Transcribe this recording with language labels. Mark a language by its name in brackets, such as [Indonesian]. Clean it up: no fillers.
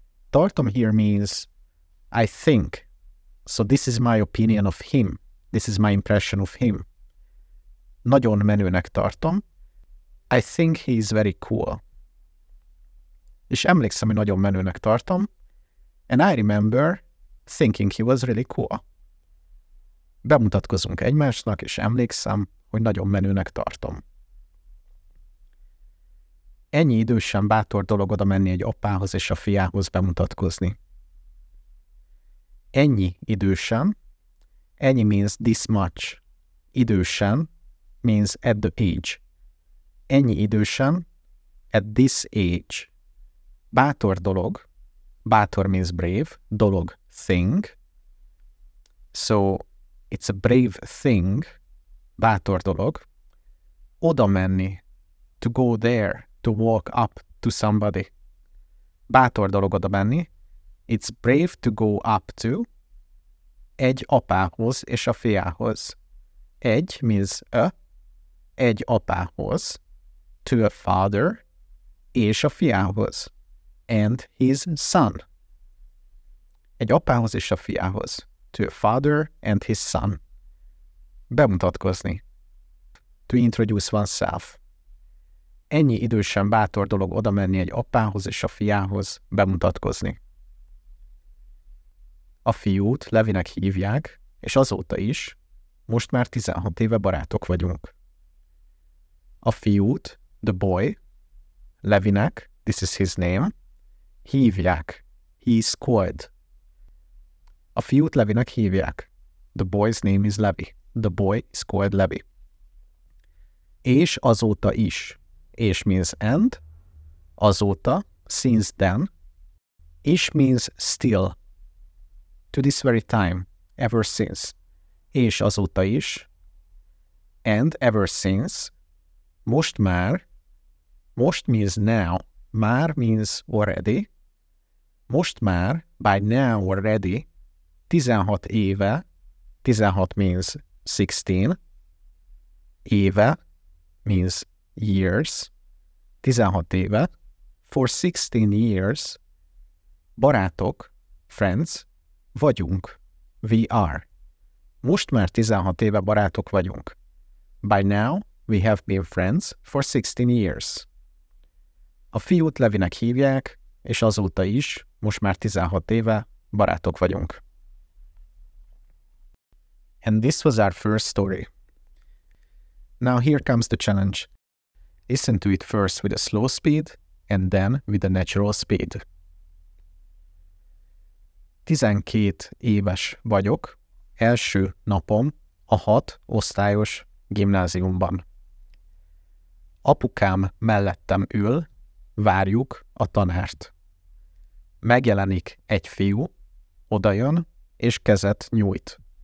[English] Tartom here means I think, so this is my opinion of him, this is my impression of him. [Hungarian] Nagyon menőnek tartom, [English] I think he is very cool. [Hungarian] És emlékszem, hogy nagyon menőnek tartom, [English] and I remember thinking he was really cool. [Hungarian] Bemutatkozunk egymásnak, és emlékszem, hogy nagyon menőnek tartom. Ennyi idősen bátor dolog oda menni egy apához és a fiához bemutatkozni. Ennyi idősen, [English] ennyi means this much, idősen means at the age. [Hungarian] Ennyi idősen, [English] at this age. [Hungarian] Bátor dolog, [English] bátor means brave, dolog, thing. So, it's a brave thing, [Hungarian] bátor dolog, oda menni, [English] to go there, to walk up to somebody. [Hungarian] Bátor dolog oda menni, [English] it's brave to go up to, [Hungarian] egy apához és a fiához. [English] Egy means a, [Hungarian] egy apához, [English] to a father, [Hungarian] és a fiához, [English] and his son. [Hungarian] Egy apához és a fiához, [English] to a father and his son. [Hungarian] Bemutatkozni. [English] To introduce oneself. [Hungarian] Ennyi idősen bátor dolog oda menni egy apához és a fiához, bemutatkozni. A fiút Levinek hívják, és azóta is, most már 16 éve barátok vagyunk. A fiút, [English] the boy, Levinek, this is his name, hívják, he's called. [Hungarian] A fiút Levinek hívják. [English] The boy's name is Levi. The boy is called Levi. [Hungarian] És azóta is. [English] És means and. Azóta, since then. Is means still. To this very time. Ever since. [Hungarian] És azóta is. [English] And ever since. [Hungarian] Most már. [English] Most means now. Már means already. [Hungarian] Most már, [English] by now already. [Hungarian] 16 éve, [English] 16 means 16, éve means years, 16 éve, for 16 years, barátok, friends, vagyunk, we are. [Hungarian] Most már 16 éve barátok vagyunk. [English] By now, we have been friends for 16 years. [Hungarian] A fiút Levinek hívják, és azóta is, most már 16 éve, barátok vagyunk. [English] And this was our first story. Now here comes the challenge. Listen to it first with a slow speed and then with a natural speed. [Hungarian] 12 éves vagyok, első napom a 6 osztályos gimnáziumban. Apukám mellettem ül, várjuk a tanárt. Megjelenik egy fiú, odajön és kezet nyújt.